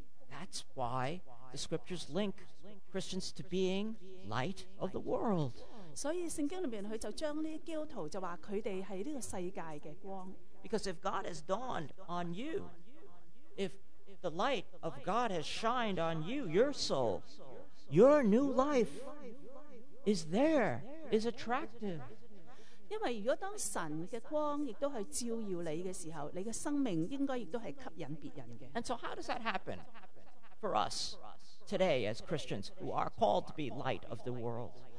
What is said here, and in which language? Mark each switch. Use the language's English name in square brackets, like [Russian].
[English] That's why the scriptures link Christians to being light of the world. [Chinese] 所以聖經裡面他就將這些基督徒就說他們是這個世界的光。 [English] Because if God has dawned on you, if the light of God has shined on you, your soul, your new life is there, is attractive. [Chinese] 因為如果當神的光亦都去照耀你的時候,你的生命應該亦都是吸引別人的。 [English] And so how does that happen? For us today as Christians who are called to be light of the world.